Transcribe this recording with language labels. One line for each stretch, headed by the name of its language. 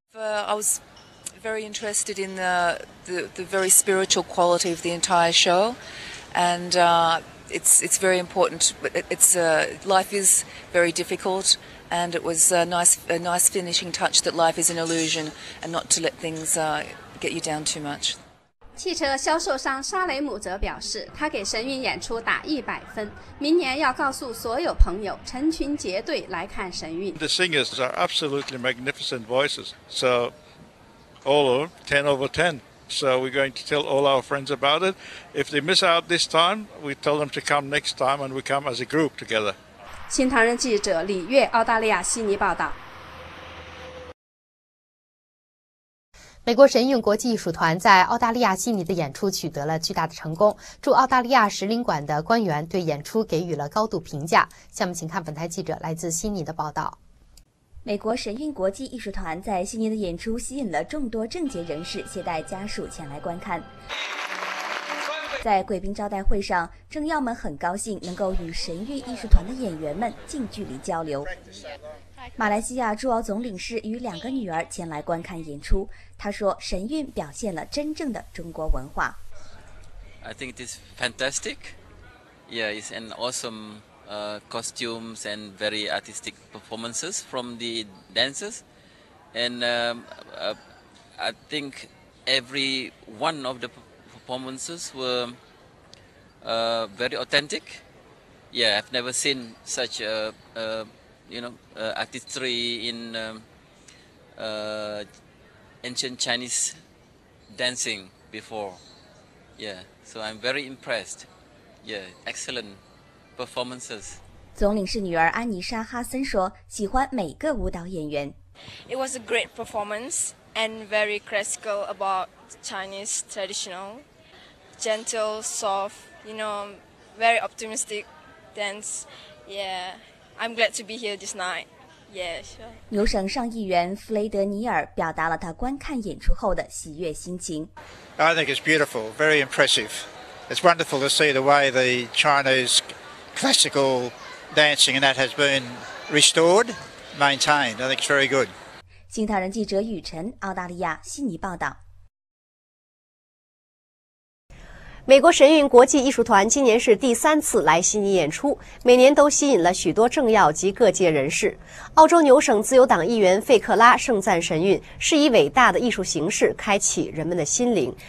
English: I was very interested in the very spiritual quality of the entire show, and it's very important. It's life is very difficult. And it was a nice finishing touch that life is an illusion and not to let things get you down too much.
Chinese: 汽车销售商沙雷姆则表示，他给神韵演出打100分，明年要告诉所有朋友成群结队来看神韵。
English: The singers are absolutely magnificent voices, so all of them, 10 over 10. So we're going to tell all our friends about it. If they miss out this time, we tell them to come next time and we come as a group together.
Chinese: 新唐人记者李月，澳大利亚悉尼报道。美国神韵国际艺术团在澳大利亚悉尼的演出取得了巨大的成功，驻澳大利亚使领馆的官员对演出给予了高度评价。下面请看本台记者来自悉尼的报道。美国神韵国际艺术团在悉尼的演出吸引了众多政界人士携带家属前来观看。在贵宾招待会上，政要们很高兴能够与神韵艺术团的演员们近距离交流。马来西亚驻澳总领事与两个女儿前来观看演出，他说神韵表现了真正的中国文化。
English: I think it is fantastic. Yeah, it's an awesome costumes and very artistic performances from the dancers. And I think every one of thePerformances were very authentic. Yeah, I've never seen such artistry in ancient Chinese dancing before. Yeah, so I'm very impressed. Yeah, excellent performances.
Chinese: 总领事女儿安妮莎·哈森说，喜欢每个舞蹈演员。
English: It was a great performance and very classical about Chinese traditional. Gentle, soft, you know, very optimistic dance. Yeah, I'm glad to be here this night. Yeah, sure.
Chinese: 牛省上议员弗雷德·尼尔表达了他观看演出后的喜悦心情。
English: I think it's beautiful, very impressive. It's wonderful to see the way the Chinese classical dancing and that has been restored, maintained. I think it's very good.
Chinese: 新唐人记者雨晨，澳大利亚悉尼报道。美国神韵国际艺术团今年是第三次来悉尼演出，每年都吸引了许多政要及各界人士。澳洲牛省自由党议员费克拉盛赞神韵是以伟大的艺术形式开启人们的心灵。